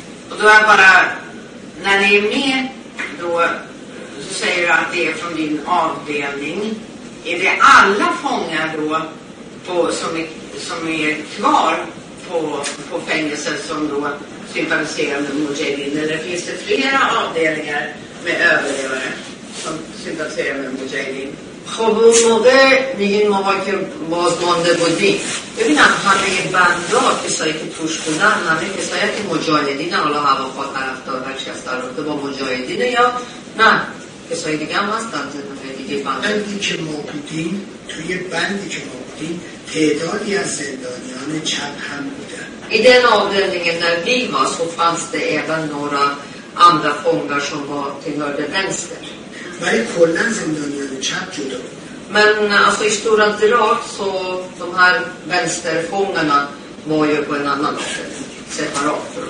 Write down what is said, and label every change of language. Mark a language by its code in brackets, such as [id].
[sv] Och då är bara, när ni är med då så säger du att det är från din avdelning. Är det alla fångar då på, som är kvar på fängelset som då sympatiserande Mujahedin? Eller finns det flera avdelningar med överlevare som sympatiserande Mujahedin? [fa] خب اون موقع میگین ما که بازمانده بودیم ببینم همه بنده کسایی که توش بودن همه کسایی که مجاهدین حالا هوا خواه طرف دار هر چیز در رابطه با مجاهدینه یا نه کسایی دیگه هم هستن زندانه دیگه بنده بندی که ما بودیم توی بندی که ما بودیم تعدادی از زندانیان چپ هم بودن [sv] i den avdelningen där vi var så fanns det även några andra fångar som var tillhörde vänster. Varje kollan zindanian chap judo. Men alltså i stora drag så de här vänsterfångarna var ju på en annan sätt separat.